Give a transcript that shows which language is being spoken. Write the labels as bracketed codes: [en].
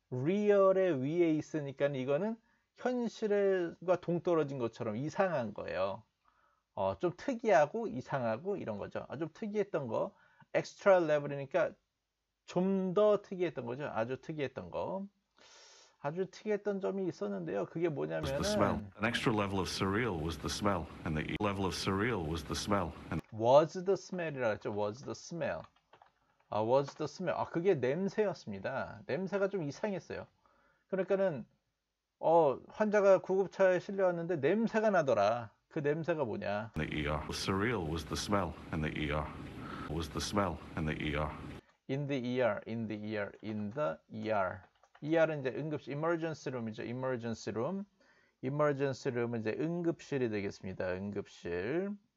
[ko] 리얼의 위에 있으니까 이거는 현실과 동떨어진 것처럼 이상한 거예요. 좀 특이하고 이상하고 이런 거죠. 아주 특이했던 거. 엑스트라 레벨이니까 좀 더 특이했던 거죠. 아주 특이했던 거. 아주 특이했던 점이 있었는데요. 그게 뭐냐면 [en] the smell. An extra level of surreal was the smell. And the level of surreal was the smell. And was the smell이라고 했죠. Was the smell. Was the smell. [ko] 그게 냄새였습니다. 냄새가 좀 이상했어요. 그러니까는 환자가 구급차에 실려왔는데 냄새가 나더라. 그 냄새가 뭐냐? [en] The ER. The surreal was the smell in the ER. Was the smell in the ER. In the ER. In the ER. In the ER. [ko] ER은 이제 응급실, [en] emergency room이죠. Emergency room. [ko] Emergency room은 이제 응급실이 되겠습니다. 응급실.